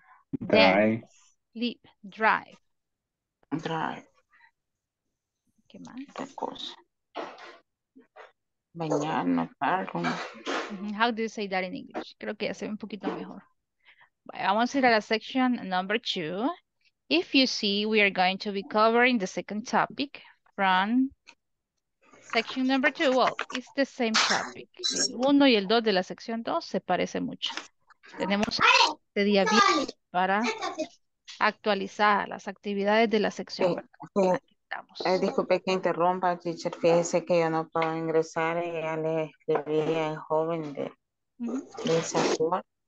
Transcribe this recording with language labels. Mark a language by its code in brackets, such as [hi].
[en] Drive. Sleep. Drive. Drive. [es] ¿Qué más? ¿Qué cosa? Mañana, algo. [en] How do you say that in English? [es] Creo que ya se ve un poquito mejor. Vamos a ir a la [en] section number two. If you see, we are going to be covering the second topic from section number two. Well, it's the same topic. [es] El uno y el dos de la sección dos se parece mucho. Tenemos este día bien para actualizar las actividades de la sección. Sí, sí. Disculpe que interrumpa, teacher. Fíjese que yo no puedo ingresar y ya le escribí al joven de esa forma.